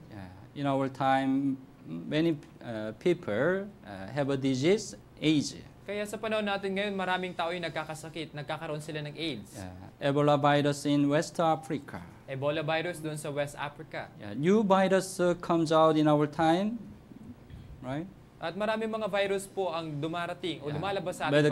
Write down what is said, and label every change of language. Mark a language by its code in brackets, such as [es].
[en] Yeah. In our time, many people have a disease, AIDS. [tl] Kaya sa panahon natin ngayon, maraming tao yung nagkakasakit, nagkakaroon sila ng AIDS. [en] Yeah. Ebola virus in West Africa. [tl] Ebola virus dun sa West Africa. Yeah. [en] New virus comes out in our time, right? [tl] At maraming mga virus po ang dumarating o lumalabas sa ating